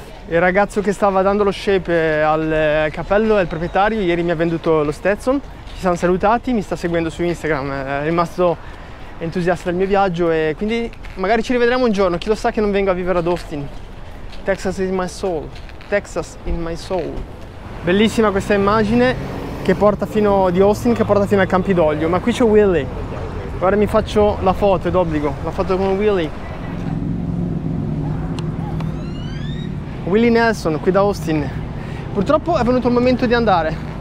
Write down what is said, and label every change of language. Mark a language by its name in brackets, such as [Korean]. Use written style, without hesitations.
[Italian] Il ragazzo che stava dando lo shape al cappello è il proprietario, ieri mi ha venduto lo Stetson, ci siamo salutati, mi sta seguendo su Instagram, è rimasto entusiasta del mio viaggio, e quindi magari ci rivedremo un giorno, chi lo sa che non vengo a vivere ad Austin. [English] Texas is my soul, Texas in my soul. [Italian] Bellissima questa immagine che porta fino di Austin, che porta fino al Campidoglio, ma qui c'è Willy. Ora mi faccio la foto, è d'obbligo, la foto con Willy. Willy Nelson, qui da Austin. Purtroppo è venuto il momento di andare.